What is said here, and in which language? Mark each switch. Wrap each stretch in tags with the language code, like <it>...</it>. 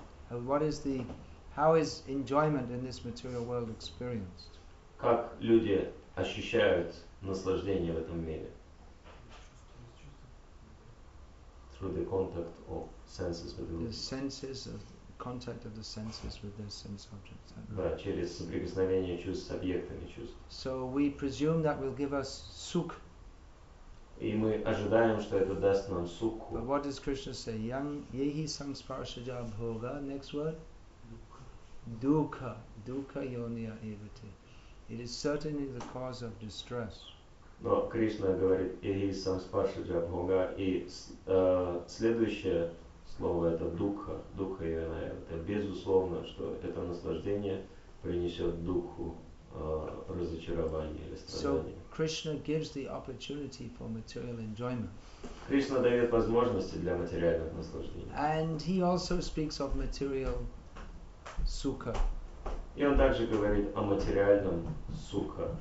<en>What is the, how is enjoyment in this material world experienced?</en> <ru>Как люди ощущают наслаждение в этом мире?</ru> <en>Through the contact of senses with the senses of contact of the senses with their sense objects.</en> <ru>Да, через соприкосновение чувств с объектами чувств.</ru> <en>So we presume that will give us sukh.</en> <ru>И мы ожидаем, что это даст нам сукху.</ru> <en>But what does Krishna say?</en> <sa>Yang yehi samsparshaja bhoga.</sa> <en>Next word.</en> <sa>Dukha. Dukha yonya evati.</sa> <en>It is certainly the cause of distress.</en> <ru>Но Кришна говорит, и сам спаши для Бога, и следующее слово это духа, духа и она, это безусловно, что это наслаждение принесет духу разочарования или страдания.</ru> <en>So Krishna gives the opportunity for material enjoyment.</en> <ru>Кришна дает возможности для материальных наслаждений.</ru> <en>And he also speaks of material sukha.</en> <ru>И он также говорит о материальном сукха.</ru>